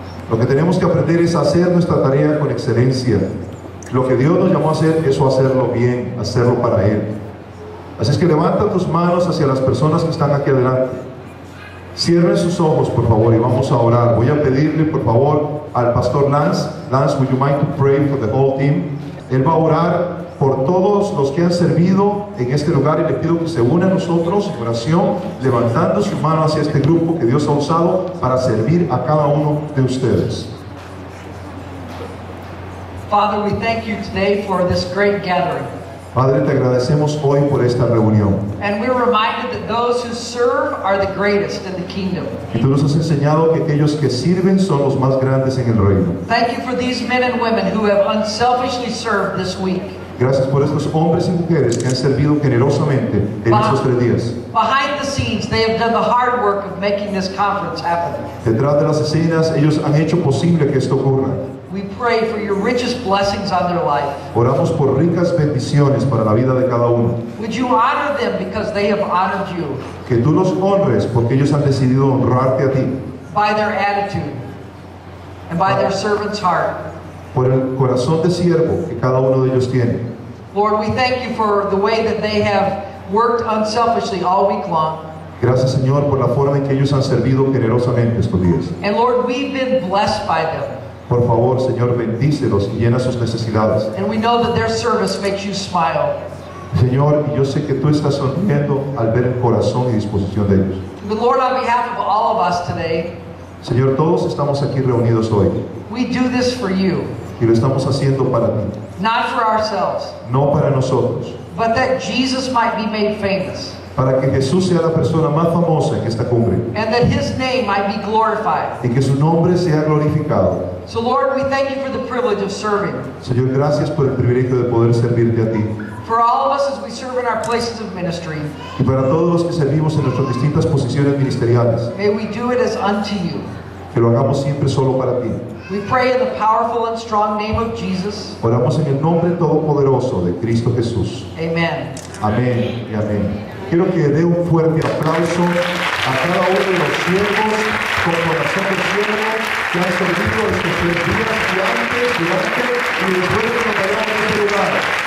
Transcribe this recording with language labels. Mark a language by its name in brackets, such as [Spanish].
[Spanish] Lo que tenemos que aprender es hacer nuestra tarea con excelencia. Lo que Dios nos llamó a hacer, eso hacerlo bien, hacerlo para Él. Así es que levanta tus manos hacia las personas que están aquí adelante. Cierren sus ojos, por favor, y vamos a orar. Voy a pedirle, por favor, al pastor Lance. [English] Lance, would you mind to pray for the whole team? [Spanish] Él va a orar por todos los que han servido en este lugar y le pido que se una a nosotros en oración, levantando su mano hacia este grupo que Dios ha usado para servir a cada uno de ustedes. [English] Father, we thank you today for this great gathering. [Spanish] Padre, te agradecemos hoy por esta reunión. [English] And we're reminded that those who serve are the greatest in the kingdom. [Spanish] Y tú nos has enseñado que aquellos que sirven son los más grandes en el reino. [English] Thank you for these men and women who have unselfishly served this week. [Spanish] Gracias por estos hombres y mujeres que han servido generosamente en estos tres días. [English] Behind the scenes, they have done the hard work of making this conference happen. [Spanish] Detrás de las escenas, ellos han hecho posible que esto ocurra. [English] We pray for your richest blessings on their life. [Spanish] Oramos por ricas bendiciones para la vida de cada uno. [English] Would you honor them because they have honored you? [Spanish] Que tú los honres porque ellos han decidido honrarte a ti. [English] By their attitude and by their servant's heart. [Spanish] Por el corazón de siervo que cada uno de ellos tiene. [English] Lord, we thank you for the way that they have worked unselfishly all week long. [Spanish] Gracias, Señor, por la forma en que ellos han servido generosamente estos días. [English] And Lord, we've been blessed by them. [Spanish] Por favor, Señor, bendícelos y llena sus necesidades. [English] And we know that their service makes you smile. [Spanish] Señor, y yo sé que tú estás sonriendo al ver el corazón y disposición de ellos. [English] But Lord, on behalf of all of us today, [Spanish] Señor, todos estamos aquí reunidos hoy. [English] We do this for you. [Spanish] Y lo estamos haciendo para ti. [English] Not for ourselves. [Spanish] No para nosotros. [English] But that Jesus might be made famous. [Spanish] Para que Jesús sea la persona más famosa en esta cumbre. [English] And that his name might be glorified. [Spanish] Y que su nombre sea glorificado. [English] So Lord, we thank you for the privilege of serving. [Spanish] Señor, gracias por el privilegio de poder servirte a ti. [English] For all of us as we serve in our places of ministry. [Spanish] Y para todos los que servimos en nuestras distintas posiciones ministeriales. [English] May we do it as unto you. [Spanish] Que lo hagamos siempre solo para ti. [English] We pray in the powerful and strong name of Jesus. [Spanish] Oramos en el nombre todopoderoso de Cristo Jesús. [English] Amen. [Spanish] Amén y amén. Quiero que dé un fuerte aplauso a cada uno de los siervos con corazón de siervos. que han servido estos tres días y antes, durante y después de que nos en este lugar.